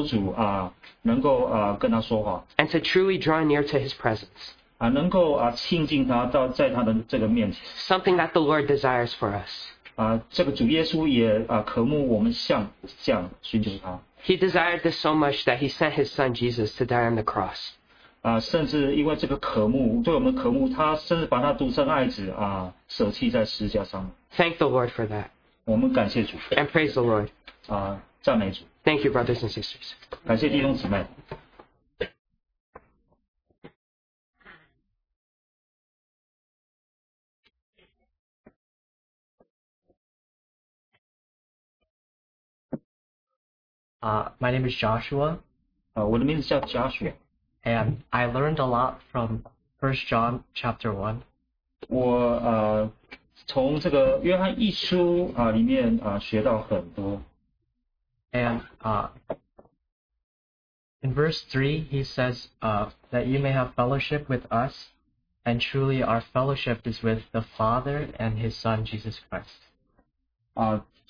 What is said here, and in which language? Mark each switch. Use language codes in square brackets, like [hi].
[zh] 我要就好像在我这个进入内室一样，我能够寻求主，能够跟他说话。 [en] And to truly draw near to His presence. [zh] 能够亲近他，在他的这个面前。 [en] Something that the Lord desires for us. [zh] 这个主耶稣也渴慕我们向寻求他。 [en] He desired this so much that he sent his son Jesus to die on the cross. [zh] 甚至因为这个渴慕，对我们渴慕，他甚至把他独生爱子舍弃在十字架上。 [en] Thank the Lord for that. [zh] 我们感谢主。 [en] And praise the Lord. [zh] 赞美主。 [en] Thank you, brothers and sisters. [zh] 感谢弟兄姊妹。 [en] My name is Joshua. [zh] 我的名字叫Joshua. [en] And I learned a lot from 1 John chapter 1. [zh] 我从这个约翰一书里面学到很多. [en] And in verse 3, he says that you may have fellowship with us, and truly our fellowship is with the Father and His Son, Jesus Christ.